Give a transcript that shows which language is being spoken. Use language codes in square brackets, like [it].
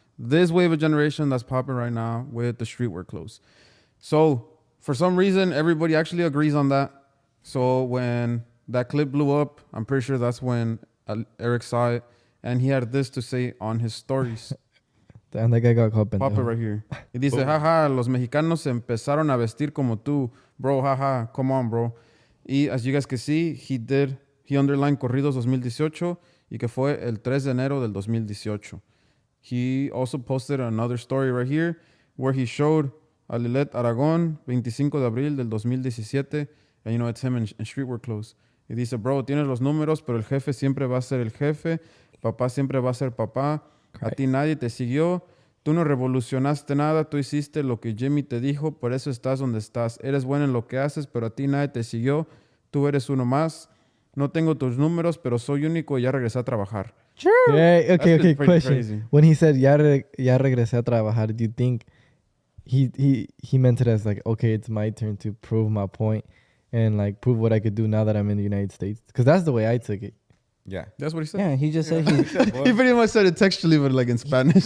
[en] this wave of generation that's popping right now with the streetwear clothes. So for some reason, everybody actually agrees on that. So when that clip blew up, I'm pretty sure that's when Eric saw it. And he had this to say on his stories. Damn, that guy got caught. Pop it right here. [es] He dice, jaja, los mexicanos empezaron a vestir como tú. [en] Bro, jaja, come on, bro. Y as you guys can see, he underlined Corridos 2018 [es] y que fue el 3 de enero del 2018. [en] He also posted another story right here where he showed a Lilette Aragon, [es] 25 de abril del 2017. [en] And you know, it's him in streetwear clothes. [es] Y dice, bro, tienes los números, pero el jefe siempre va a ser el jefe. Papá siempre va a ser papá. Okay. A ti nadie te siguió. Tú no revolucionaste nada. Tú hiciste lo que Jimmy te dijo. Por eso estás donde estás. Eres bueno en lo que haces, pero a ti nadie te siguió. Tú eres uno más. No tengo tus números, pero soy único y ya regresé a trabajar. [en] True. Yeah, okay, okay, question. Crazy. When he said, [es] ya regresé a trabajar, [en] do you think he meant it as like, okay, it's my turn to prove my point and like prove what I could do now that I'm in the United States? Because that's the way I took it. Yeah, that's what he said. Yeah, he just said he pretty much said it textually, but like in Spanish.